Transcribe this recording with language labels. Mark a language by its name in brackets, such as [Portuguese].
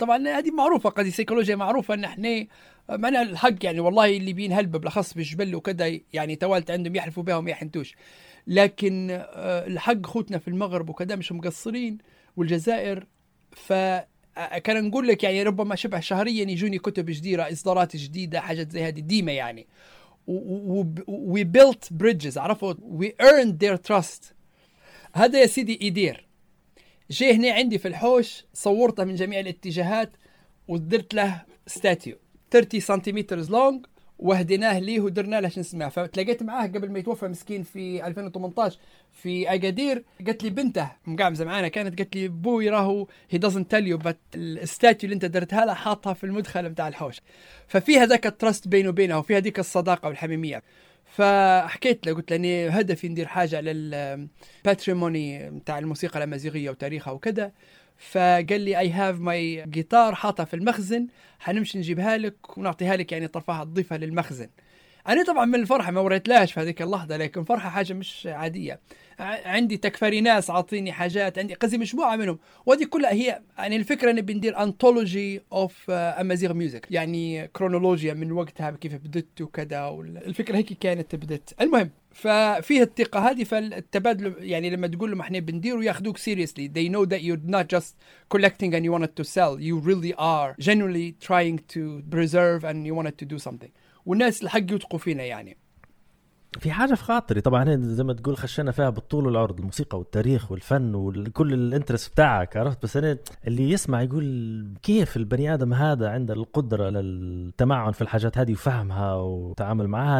[Arabic] طبعا هذه معروفة، قضية سيكولوجيا معروفة أن احنا معنا الحق، يعني والله الليبيين هلبة بالأخص بالجبل وكذا، يعني توالت عندهم يحلفوا بهم يحنتوش، لكن الحق خوتنا في المغرب وكذا مش مقصرين، والجزائر. فكان نقول لك يعني ربما شبه شهريا يجوني كتب جديدة، إصدارات جديدة، حاجات زي هذه ديمة يعني. [English] We built bridges، [Arabic] عرفوا؟ [English] We earned their trust. [Arabic] هذا يا سيدي إيدير جي هنا عندي في الحوش، صورته من جميع الاتجاهات ودرت له statue 30 سنتيمتر long وهديناه ليه ودرنا له شنو اسمه. فتلاقيت معاه قبل ما يتوفى مسكين في 2018 في أقادير، قلت لي بنته مقعمزة معانا كانت، قلت لي بوي راهو [English] he doesn't tell you but [Arabic] الستاتيو اللي انت درتها له حاطها في المدخل متاع الحوش. ففيها ذاك التراست بينه وبينه وفيها ذيك الصداقة والحميمية. فحكيت له قلت لاني هدفي ندير حاجة للباتريموني متاع الموسيقى الأمازيغية وتاريخها وكذا. فقال لي [English] I have my guitar [Arabic] حاطها في المخزن، حنمشي نجيبها لك ونعطيها لك، يعني طرفها تضيفها للمخزن. أنا طبعا من الفرحة ما وريت لهاش في هذيك اللحظة، لكن فرحة حاجة مش عادية. عندي تكفري ناس عطيني حاجات، عندي قزي مجموعة منهم، ودي كلها هي يعني الفكرة أني بندير [English] anthology of Amazigh music، [Arabic] يعني كرونولوجيا من وقتها كيف بدت وكذا، والفكرة هيك كانت بدت. المهم ففيه الثقة هذه، فالتبادل يعني لما تقول لهم احنا بندير وياخدوك [English] seriously، they know that you're not just collecting and you wanted to sell, you really are genuinely trying to preserve and you wanted to do something. [Arabic] والناس الحق يتقوا فينا. يعني في حاجة في خاطري طبعا زي ما تقول خشينا فيها بالطول والعرض، الموسيقى والتاريخ والفن وكل الانترس بتاعك، عرفت؟ بس أنا اللي يسمع يقول كيف البني آدم هذا عنده القدرة للتمعن في الحاجات هذه وفهمها وتعامل معها.